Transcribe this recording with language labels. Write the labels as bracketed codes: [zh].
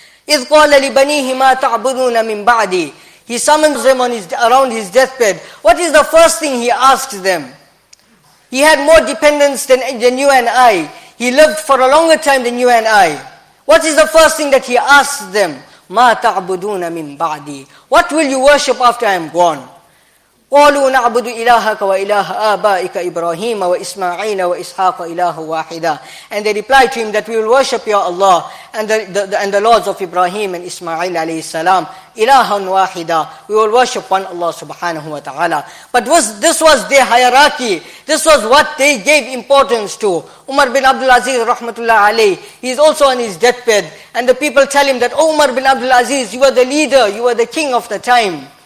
[ar] Idh qala li banihi ma ta'buduna min ba'di. [en] He summons them around his deathbed. What is the first thing he asks them? He had more dependence than you and I. He lived for a longer time than you and I. What is the first thing that he asked them? [ar] مَا تَعْبُدُونَ مِنْ بَعْدِي. [en] What will you worship after I am gone? [ar] قالوا نعبد إلهك وإله آبائك إبراهيم وإسماعيل وإسحاق إله واحدة. [en] And they replied to him that we will worship your Allah and the Lords of Ibrahim and Ismail عليه السلام [ar] إلها واحدة. [en] We will worship one Allah سبحانه وتعالى. But this was their hierarchy. This was what they gave importance to. Umar bin Abdul Aziz رحمة الله عليه, he is also on his deathbed, and the people tell him that, oh, Umar bin Abdul Aziz, you are the leader, you are the king of the time.